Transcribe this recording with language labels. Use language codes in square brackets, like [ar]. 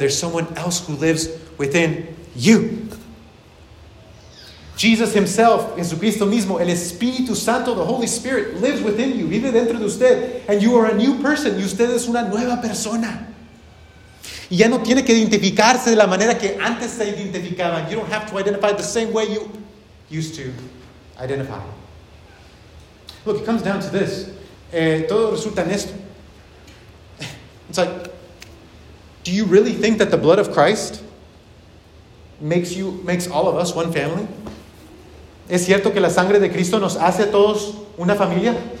[en] There's someone else who lives within you. Jesus himself, [es] Jesucristo mismo, el Espíritu Santo, [en] the Holy Spirit, lives within you, [es] vive dentro de usted. [en] And you are a new person. [es] Y usted es una nueva persona. Y ya no tiene que identificarse de la manera que antes se identificaba. [en] You don't have to identify the same way you used to identify. Look, it comes down to this. [es] Todo resulta en esto. [en] It's like, do you really think that the blood of Christ makes all of us one family? [es] ¿Es cierto que la sangre de Cristo nos hace a todos una familia?